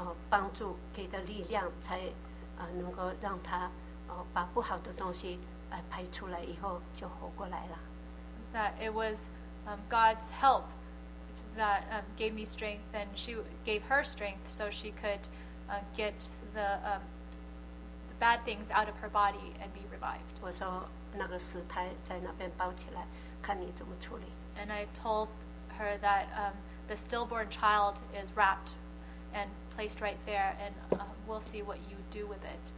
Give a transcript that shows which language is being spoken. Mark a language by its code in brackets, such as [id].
[zh] 帮助给的力量才能够让他把不好的东西排出来以后就活过来了。 [en] That it was God's help that gave me strength and she gave her strength so she could get the bad things out of her body and be revived. [zh] 我说那个死胎在那边包起来看你怎么处理。 [en] And I told her that the stillborn child is wrapped and placed right there and we'll see what you do with it.